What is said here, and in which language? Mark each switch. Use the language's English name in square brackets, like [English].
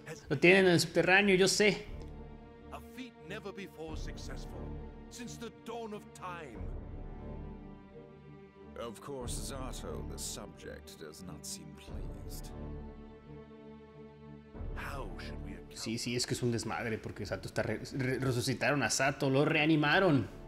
[Spanish] Lo tienen en el subterráneo, yo sé. [English] A feat never before successful since the dawn of time. Of course, Zarto, the subject, does not seem pleased. How should we account? [Spanish] Sí, sí, es que es un desmadre porque Zarto está resucitaron a Zarto, lo reanimaron.